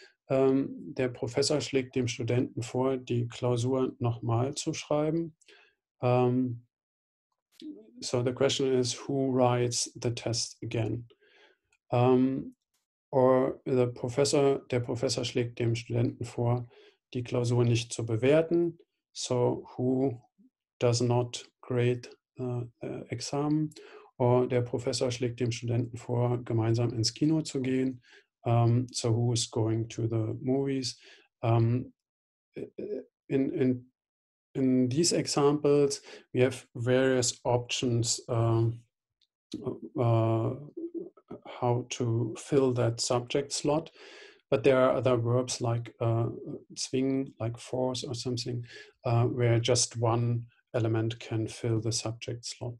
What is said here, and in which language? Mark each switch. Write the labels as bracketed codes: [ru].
[de] Der Professor schlägt dem Studenten vor, die Klausur nochmal zu schreiben. [en] So the question is, who writes the test again? [de] Der Professor schlägt dem Studenten vor, die Klausur nicht zu bewerten. [en] So who does not grade the exam? [de] Or der Professor schlägt dem Studenten vor, gemeinsam ins Kino zu gehen. [en] So who is going to the movies? In these examples, we have various options how to fill that subject slot. But there are other verbs like zwingen, like force or something, where just one element can fill the subject slot.